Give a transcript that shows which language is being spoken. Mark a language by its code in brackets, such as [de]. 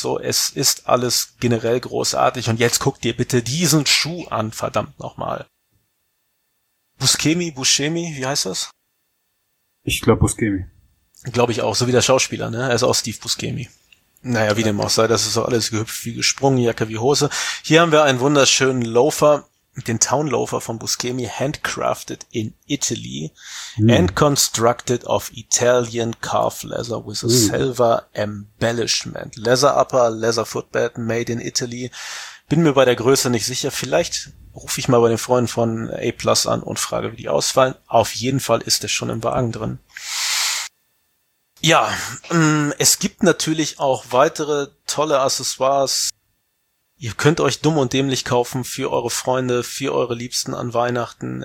[de] So, es ist alles generell großartig. Und jetzt guckt ihr bitte diesen Schuh an, verdammt nochmal. Buscemi, wie heißt das? Ich glaube Buscemi. Glaube ich auch, so wie der Schauspieler, ne? Er ist auch Steve Buscemi. Naja, wie dem auch sei, das ist auch alles gehüpft wie gesprungen, Jacke wie Hose. Hier haben wir einen wunderschönen Loafer. Den Town Loafer von Buscemi, [en] handcrafted in Italy and constructed of Italian calf leather with a silver embellishment. Leather upper, leather footbed, made in Italy. [de] Bin mir bei der Größe nicht sicher. Vielleicht rufe ich mal bei den Freunden von A-Plus an und frage, wie die ausfallen. Auf jeden Fall ist der schon im Wagen drin. Ja, es gibt natürlich auch weitere tolle Accessoires. Ihr könnt euch dumm und dämlich kaufen für eure Freunde, für eure Liebsten an Weihnachten.